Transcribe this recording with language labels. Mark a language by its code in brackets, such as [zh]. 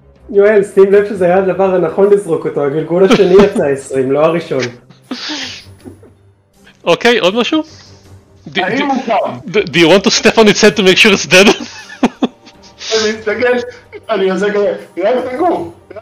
[he] יואל, שים לב שזה היה הדבר הנכון לזרוק אותו, הגלגול השני יצא 20, לא הראשון. אוקיי, עוד משהו? האם הוא קם? [en] Do you want to step on its head to make sure it's dead? [he] אני מתנגש, אני עושה כזה, רק תגעו!